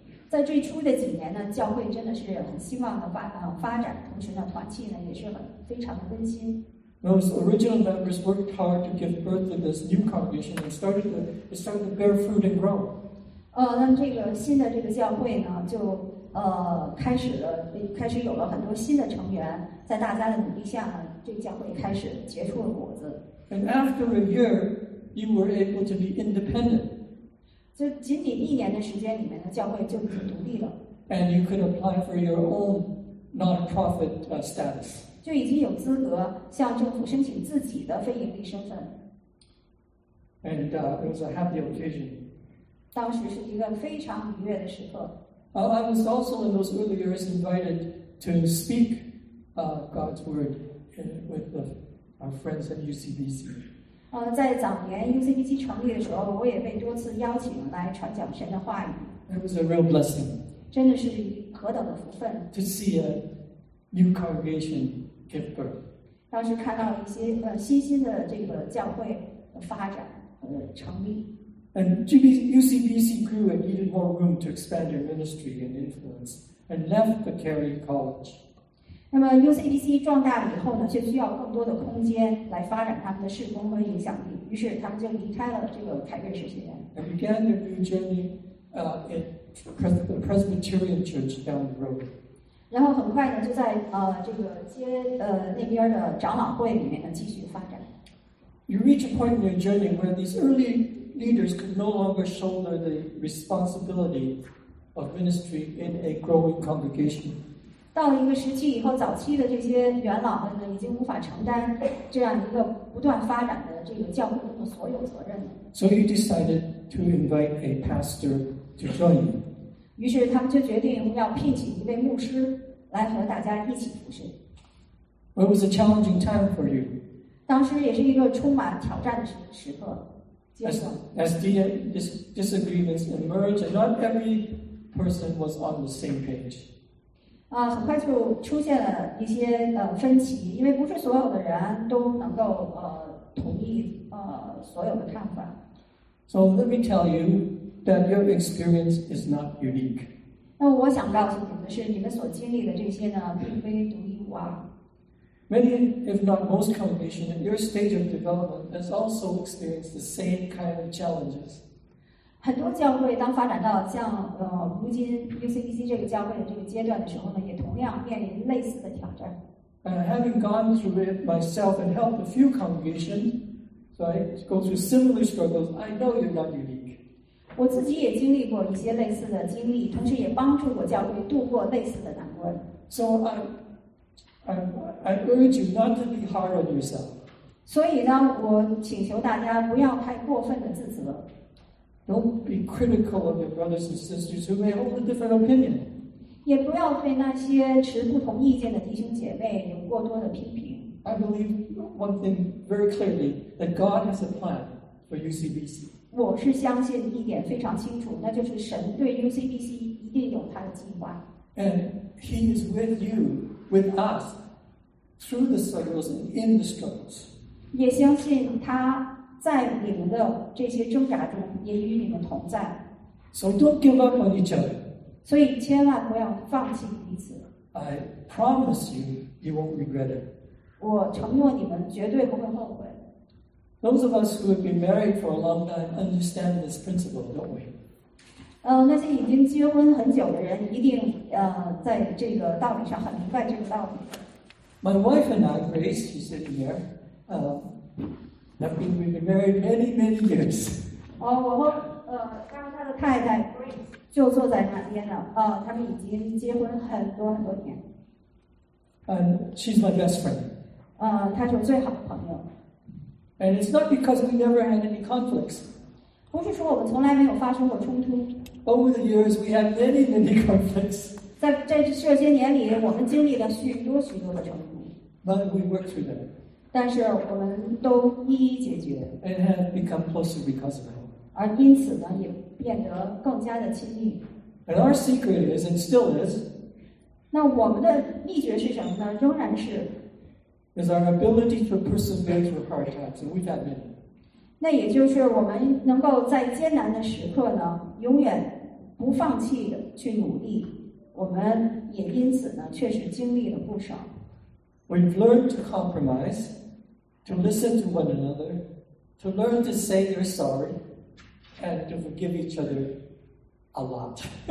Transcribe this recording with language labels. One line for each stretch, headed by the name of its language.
Chinese: 在最初的几年呢，教会真的是很兴旺的发展，同时呢，团契呢也是非常的温馨。
English: Those original members worked hard to give birth to this new congregation and started to bear fruit and grow.
Chinese: 那这个新的这个教会呢，就开始有了很多新的成员，在大家的努力下呢，这个教会开始结出了果子。
English: And after a year, you were able to be independent.
Chinese: 就仅仅一年的时间里面呢，教会就已经独立了。
English: And you could apply for your own non-profit status.
Chinese: 就已经有资格向政府申请自己的非盈利身份。
English: And it was a happy occasion.
Chinese: 当时是一个非常愉悦的时刻。
English: I was also in those early years invited to speak God's word with our friends at UCBC.
Chinese: 在早年 UCBC 成立的时候，我也被多次邀请来传讲神的话语。
English: It was a real blessing.
Chinese: 真的是何等的福分。
English: To see a new congregation. Give birth.
Chinese: 当时看到一些新兴的这个教会的发展成立。
English: And UCBC grew and needed more room to expand their ministry and influence, and left the Carey College.
Chinese: 那么 UCBC 壮大了以后呢，就需要更多的空间来发展他们的事工和影响力。于是他们就离开了这个凯瑞神学院。
English: And began their new journey at the Presbyterian Church down the road.
Chinese: 然后很快呢，就在这个街那边的长老会里面呢继续发展。
English: You reach a point in your journey where these early leaders could no longer shoulder the responsibility of ministry in a growing congregation.
Chinese: 到了一个时期以后，早期的这些元老们呢，已经无法承担这样一个不断发展的这个教会的所有责任了。
English: So you decided to invite a pastor to join you.
Chinese: 于是他们就决定要聘请一位牧师来和大家一起服侍。
English: It was a challenging time for you.
Chinese: 当时也是一个充满挑战的时刻。
English: As the disagreements emerged, and not every person was on the same page.
Chinese: 很快就出现了一些分歧，因为不是所有的人都能够同意所有的看法。
English: So let me tell you. That your experience is not unique.
Chinese: 那我想告诉你们的是，你们所经历的这些呢，并非独一无二。
English: Many, if not most, congregations in your stage of development has also experienced the same kind of challenges.
Chinese: 很多教会当发展到像如今 UCBC 这个教会的这个阶段的时候呢，也同样面临类似的挑战。
English: Having gone through it myself and helped a few congregations, right, go through similar struggles, I know you're not unique.
Chinese: 我自己也经历过一些类似的经历，同时也帮助过教会度过类似的难关。
English: So I urge you not to be hard on yourself.
Chinese: 所以呢，我请求大家不要太过分的自责。
English: Don't be critical of your brothers and sisters who may hold a different opinion.
Chinese: 也不要对那些持不同意见的弟兄姐妹有过多的批评。
English: I believe one thing very clearly, that God has a plan for UCBC.
Chinese: 我是相信一点非常清楚，那就是神对 UCBC 一定有他的计划。
English: And he is with you, with us, through the struggles and in the struggles.
Chinese: 也相信他在你们的这些挣扎中也与你们同在。
English: So don't give up on each other.
Chinese: 所以千万不要放弃彼此。
English: I promise you, you won't regret it.
Chinese: 我承诺你们绝对不会后悔。
English: Those of us who have been married for a long time understand this principle, don't we?
Chinese: 那些已经结婚很久的人一定在这个道理上很明白这个道理。
English: My wife and I, Grace, she's sitting here, we've been married many, many years.
Chinese: 我和刚刚他的太太 Grace 就坐在旁边了。他们已经结婚很多很多年。
English: And she's my best friend.
Chinese: 她是我最好的朋友。
English: And it's not because we never had any conflicts.
Chinese: 不是说我们从来没有发生过冲突。
English: Over the years, we had many, many conflicts.
Chinese: 在这些年里，我们经历了许多许多的冲突。
English: But we worked through them.
Chinese: 但是我们都一一解决
English: and have become closer because of it.
Chinese: 而因此呢也变得更加的亲密
English: and our secret is and still is
Chinese: 那我们的秘诀是什么呢仍然是
English: is our ability to persevere through hard times and we've had many
Chinese: 那也就是我们能够在艰难的时刻呢永远不放弃的去努力我们也因此呢确实经历了不少
English: We've learned to compromise, to listen to one another, to learn to say you're sorry, and to forgive each other a lot.